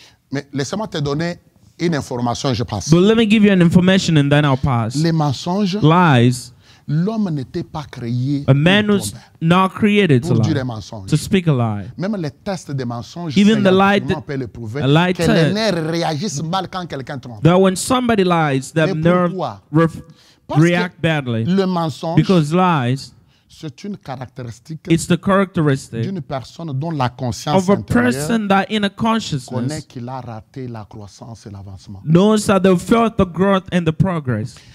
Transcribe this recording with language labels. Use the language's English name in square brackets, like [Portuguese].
[French] Mais laissez-moi te donner une information et je passe. [English] But let me give you an information and then I'll pass. [French] Les mensonges, [English] lies, [French] l'homme n'était pas créé. [English] A man was not created to lie. [French] Mensonges. [English] To speak a lie. [French] Même les tests des mensonges, [English] even the lie, the, [French] peut le prouver, [English] a lie [French] que [English] test, [French] les nerfs réagissent mal quand quelqu'un trompe. [English] That when somebody lies, their nerves react badly. [French] Le mensonge, [English] because lies, [French] C'est une caractéristique [English] it's the characteristic [French] d'une personne dont la conscience [English] of a person that inner consciousness [French] connaît qu'il a raté la croissance et l'avancement. [English] Knows that they've failed the growth and the progress.